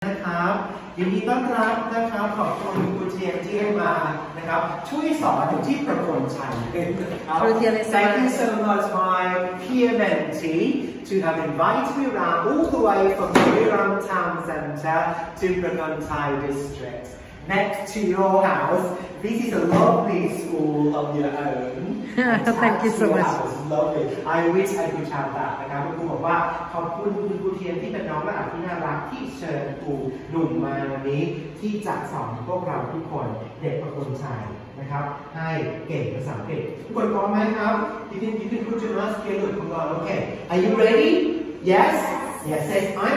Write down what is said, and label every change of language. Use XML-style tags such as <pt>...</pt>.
<th>บยินดีต้อนรับนะครับขอบคุณคุณเทียนที่ให้มานะครับช่วยสอนที่ประคนชัย ครับ</th> <en>Thank you so much my peer mentee to have invited me around all the way from Buriram Town Center to Prakon Chai District next to your house this is a lovely school of your own Thank you so much lovely I wish I could have that</en> <th>นะครับคุณบอกว่าขอบคุณคุณกูเทียนที่เป็นน้องและอาที่น่ารักที่เชิญกูหนุ่มมาวันนี้ที่จะสอนพวกเราทุกคนเด็กประคนชัยนะครับให้เก่งภาษาอังกฤษทุกคนพร้อมไหมครับดีดีดีดีคุณจะมาสเกลด์ของเราโอเค</th> <en>Are you ready Yes Yes say yes.</en>